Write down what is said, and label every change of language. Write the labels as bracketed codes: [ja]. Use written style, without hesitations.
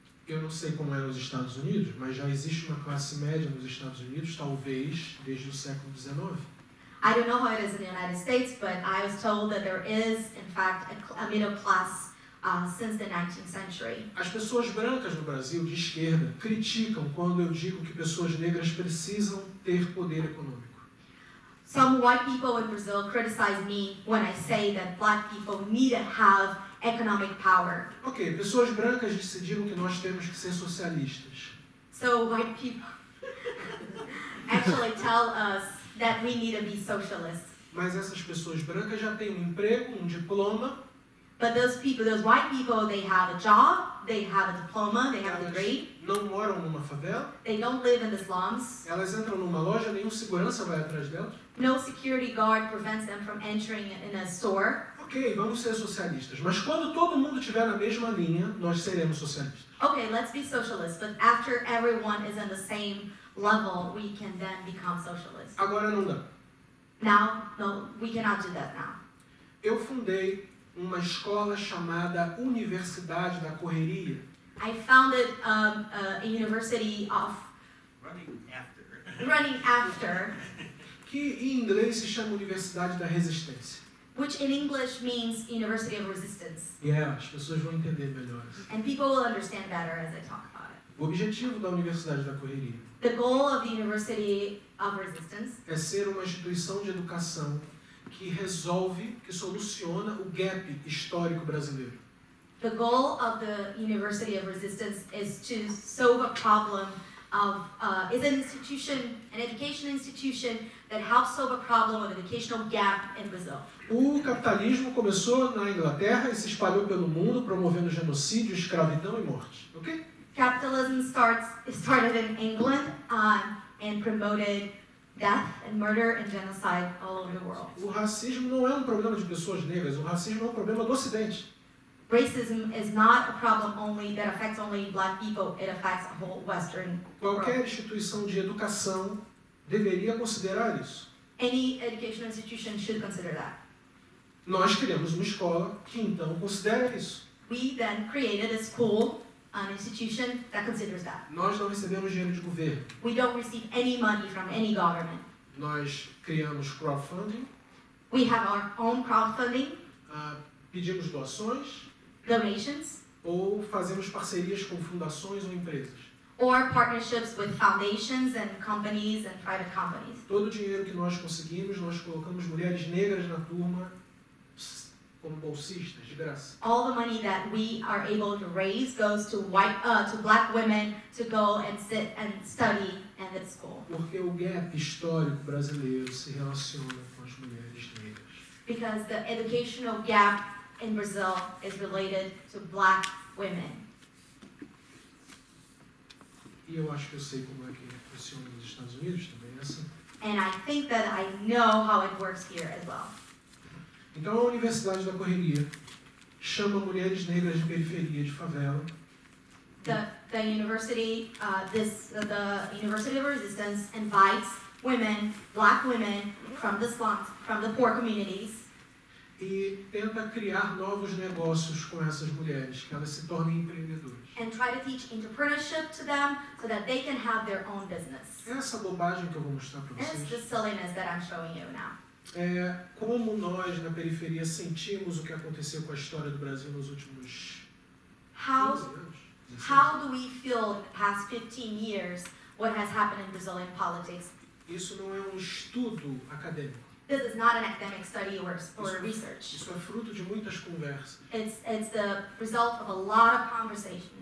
[pt] Eu não sei como é nos Estados Unidos, mas já existe uma classe média nos Estados Unidos, talvez desde o século XIX. [en] I don't know how it is in the United States, but I was told that there is, in fact, a middle class since the 19th century. [pt] As pessoas brancas no Brasil de esquerda criticam quando eu digo que pessoas negras precisam ter poder econômico. [en] Some white people in Brazil criticize me when I say that black people need to have economic power. [pt] Ok, pessoas brancas decidiram que nós temos que ser socialistas. [en] So white people actually tell us that we need to be socialists. [pt] Mas essas pessoas brancas já têm um emprego, um diploma. [en] But those people, those white people, they have a job, they have a diploma, they have a degree. [pt] Não moram numa favela. [en] They don't live in the slums. [pt] Elas entram numa loja, nenhum segurança vai atrás delas. [en] No security guard prevents them from entering in a store. [pt] Ok, vamos ser socialistas. Mas quando todo mundo estiver na mesma linha, nós seremos socialistas. [en] Ok, let's be socialists. But after everyone is on the same level, we can then become socialists. [pt] Agora não dá. [en] Now, no, we cannot do that now. [pt] Eu fundei uma escola chamada Universidade da Correria. [en] I founded a university of... Running after. [pt] Que em inglês se chama Universidade da Resistência. [en] Which in English means University of Resistance. [pt] Yeah, as pessoas vão entender melhor. [en] And people will understand better as I talk about it. [pt] O objetivo da Universidade da Correria. [en] The goal of the University of Resistance. [pt] É ser uma instituição de educação que resolve, que soluciona o gap histórico brasileiro. [en] The goal of the University of Resistance is to solve a problem of, is an institution, an education institution that helps solve a problem of educational gap in Brazil. [pt] O capitalismo começou na Inglaterra e se espalhou pelo mundo, promovendo genocídio, escravidão e morte. [en] Ok? Capitalism started in England and promoted death and murder and genocide all over the world. [pt] O racismo não é um problema de pessoas negras. O racismo é um problema do Ocidente. [en] Racism is not a problem only that affects only black people. It affects a whole Western world. [pt] Qualquer instituição de educação deveria considerar isso. [en] Any educational institution should consider that. [pt] Nós criamos uma escola que então considera isso. [en] We then created a school, an institution that considers that. [pt] Nós não recebemos dinheiro de governo. [en] We don't receive any money from any government. [pt] Nós criamos crowdfunding. [en] We have our own crowdfunding. [pt] Pedimos doações. [en] Donations. [pt] Ou fazemos parcerias com fundações ou empresas. [en] Or partnerships with foundations and companies and private companies. [pt] Todo o dinheiro que nós conseguimos, nós colocamos mulheres negras na turma. Como bolsistas, de graça. [en] All the money that we are able to raise goes to white, to black women to go and sit and study and at school. [pt] Porque o gap histórico brasileiro se relaciona com as mulheres negras. [en] Because the educational gap in Brazil is related to black women. [pt] E eu acho que eu sei como é que funciona nos Estados Unidos também, essa. [en] And I think that I know how it works here as well. [pt] Então, a Universidade da Correria chama mulheres negras de periferia, de favela. [en] The University of Resistance invites women, black women, from the slums, from the poor communities. [pt] E tenta criar novos negócios com essas mulheres, que elas se tornem empreendedoras. [en] And try to teach entrepreneurship to them, so that they can have their own business. [pt] Essa bobagem que eu vou mostrar para vocês. [en] This silliness that I'm showing you now. [pt] É como nós na periferia sentimos o que aconteceu com a história do Brasil nos últimos 15 anos. [en] How do we feel the past 15 years what has happened in Brazilian politics? [pt] Isso não é um estudo acadêmico. [en] This is not an academic study or research. [pt] Isso é fruto de muitas conversas. [en] It's the result of a lot of conversations.